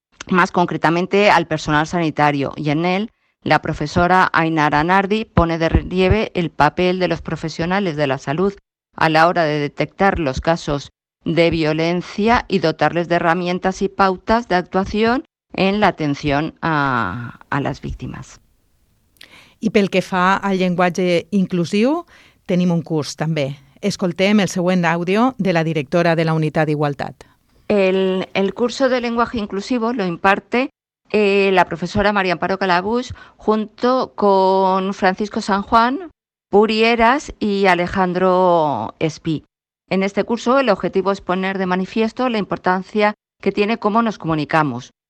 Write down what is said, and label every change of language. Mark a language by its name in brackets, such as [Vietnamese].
[Spanish] más concretamente al personal sanitario y en él la profesora Ainara Nardi pone de relieve el papel de los profesionales de la salud a la hora de detectar los casos de violencia y dotarles de herramientas y pautas de actuación en la atención a las víctimas. [Catalan] I pel que fa al llenguatge inclusiu, tenim un curs també. Escoltem el següent àudio de la directora de la Unitat d'Igualtat. [Spanish] El curso de lenguaje inclusivo lo imparte la profesora María Amparo Calabús junto con Francisco San Juan, Puri Eras y Alejandro Espí. En este curso el objetivo es poner de manifiesto la importancia que tiene cómo nos comunicamos.